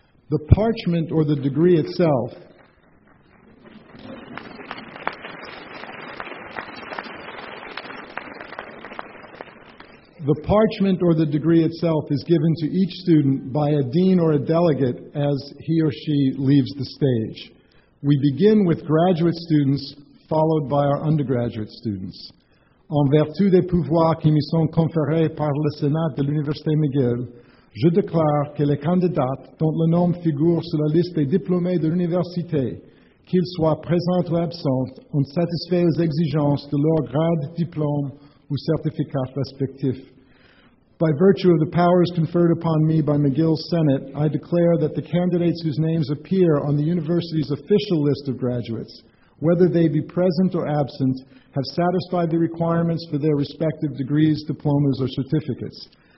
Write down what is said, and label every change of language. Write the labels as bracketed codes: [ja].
[en] The parchment, or the degree itself, is given to each student by a dean or a delegate as he or she leaves the stage. We begin with graduate students, followed by our undergraduate students. [fr] En vertu des pouvoirs qui me sont conférés par le Sénat de l'Université McGill, je déclare que les candidats dont le nom figure sur la liste des diplômés de l'université, qu'ils soient présents ou absents, ont satisfait aux exigences de leur grade, diplôme ou certificat respectif. [en] By virtue of the powers conferred upon me by McGill's Senate, I declare that the candidates whose names appear on the university's official list of graduates, whether they be present or absent, have satisfied the requirements for their respective degrees, diplomas, or certificates.